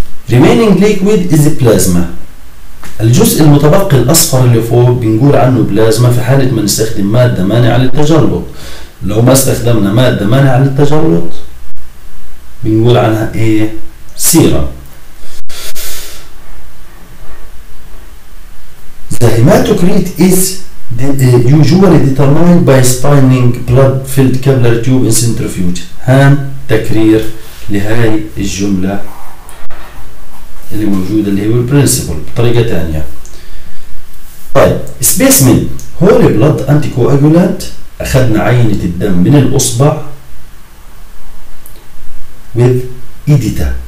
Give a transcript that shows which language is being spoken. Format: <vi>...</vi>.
<en>remaining liquid is plasma,</en> <ar>الجزء المتبقي الأصفر اللي فوق بنقول عنه بلازما في حالة ما نستخدم مادة مانعة للتجلط. لو ما استخدمنا مادة مانعة للتجلط بنقول عنها ايه؟ سيرم.</ar> <en>The hematocrit is usually determined by spinning blood filled capillary tube in centrifuge.</en> <ar>هان تكرير لهذه الجملة اللي موجودة اللي هي principle بطريقة تانية. طيب</ar> <en>specimen whole blood anticoagulant،</en> <ar>اخذنا عينة الدم من الاصبع</ar> <en>with edita.</en>